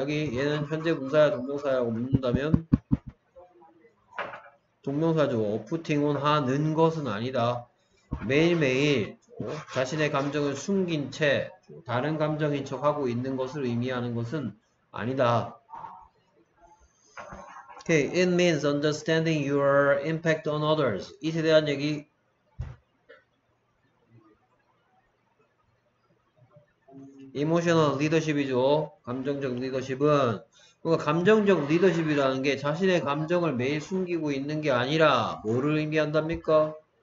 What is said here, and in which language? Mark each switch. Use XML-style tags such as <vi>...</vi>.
<ko>여기 얘는 현재 분사야 동명사야라고 묻는다면 동명사죠. putting on 하는 것은 아니다. 매일매일 자신의 감정을 숨긴 채 다른 감정인 척하고 있는 것을 의미하는 것은 아니다.</ko> <en>Okay, it means understanding your impact on others.</en> <ko>이에 대한 얘기 이모셔널 리더십이죠. 감정적 리더십은 그러니까 감정적 리더십이라는 게 자신의 감정을 매일 숨기고 있는 게 아니라 뭐를 의미한답니까?</ko>